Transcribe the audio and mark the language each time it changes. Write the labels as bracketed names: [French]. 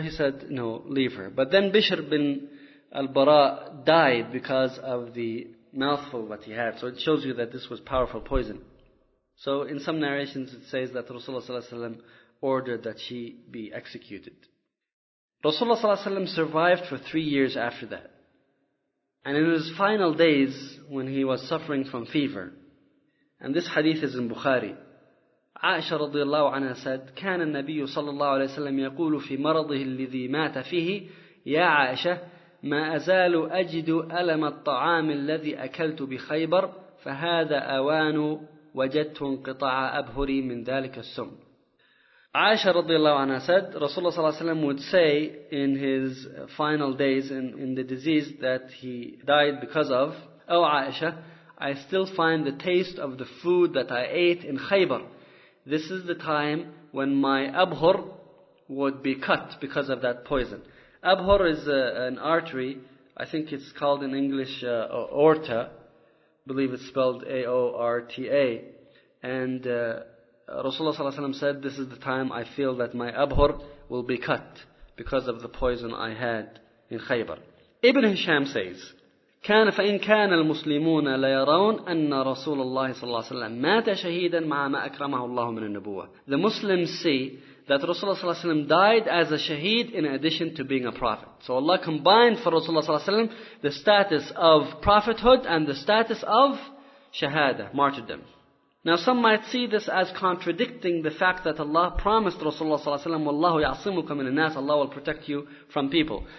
[English] He said, "No, leave her." But then Bishr bin al-Bara died because of the mouthful that he had. So it shows you that this was powerful poison. So in some narrations it says that Rasulullah sallallahu alaihi wasallam ordered that she be executed. Rasulullah sallallahu alaihi wasallam survived for 3 years after that. And in his final days, when he was suffering from fever, and this hadith is in Bukhari, Aisha radiallahu anha said, [Arabic] "كان النبي صلى الله عليه وسلم يقول في مرضه الذي مات فيه يا عائشة ما أزال أجد ألم الطعام الذي أكلت بخيبر فهذا أوان وجدت انقطاع أبهري من ذلك السم." [English] Aisha radiallahu anha said, Rasulullah sallallahu alaihi wasallam would say in his final days in the disease that he died because of, "Oh Aisha, I still find the taste of the food that I ate in Khaybar. This is the time when my abhur would be cut because of that poison." Abhur is an artery. I think it's called in English aorta. I believe it's spelled A-O-R-T-A. And Rasulullah sallallahu alaihi wasallam said, "This is the time I feel that my abhur will be cut because of the poison I had in Khaybar." Ibn Hisham says, [Arabic] كان فإن كان المسلمون لا يرون أن رسول الله صلى الله عليه وسلم مات شهيدا مع ما أكرمه الله من النبوة. [English] The Muslims see that Rasulullah صلى الله عليه وسلم died as a shaheed in addition to being a prophet. So Allah combined for Rasulullah صلى الله عليه وسلم the status of prophethood and the status of shahada, martyrdom. Now some might see this as contradicting the fact that Allah promised Rasulullah sallallahu alaihi wasallam, [Arabic] "Wallahu ya'simuka min an-nas," [English] Allah will protect you from people.